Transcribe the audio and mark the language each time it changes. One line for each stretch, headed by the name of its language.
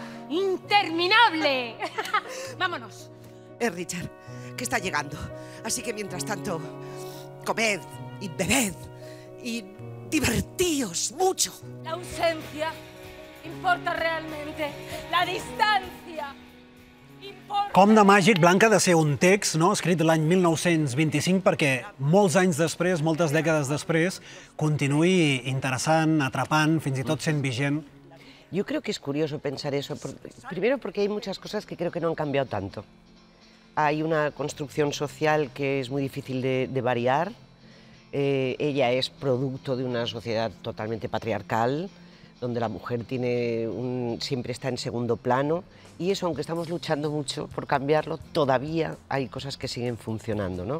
Spanish: ¡Interminable! ¡Vámonos! Es Richard, que está llegando. Así que mientras tanto, comed y bebed y divertíos mucho. La ausencia importa realmente. La distancia importa...
Catalan: Com de màgic, Blanca, de ser un text, no?, escrit l'any 1925, perquè molts anys després, moltes dècades després, continuï interessant, atrapant, fins i tot sent vigent.
Spanish: Yo creo que es curioso pensar eso, primero porque hay muchas cosas que creo que no han cambiado tanto. Hay una construcción social que es muy difícil de variar, ella es producto de una sociedad totalmente patriarcal, donde la mujer siempre está en segundo plano, y eso, aunque estamos luchando mucho por cambiarlo, todavía hay cosas que siguen funcionando, ¿no?